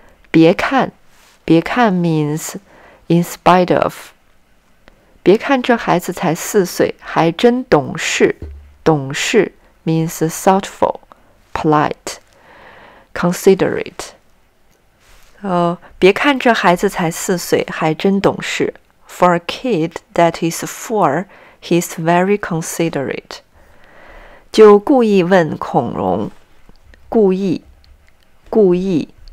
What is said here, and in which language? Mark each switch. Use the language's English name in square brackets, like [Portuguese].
[Chinese] 别看。别看 [English] means in spite of. [Chinese] 别看这孩子才四岁，还真懂事。 [English] 懂事 means thoughtful, polite, considerate. [Chinese] 别看这孩子才四岁，还真懂事。 [English] For a kid that is four, he's very considerate. [Chinese] 就故意问孔融，故意，故意。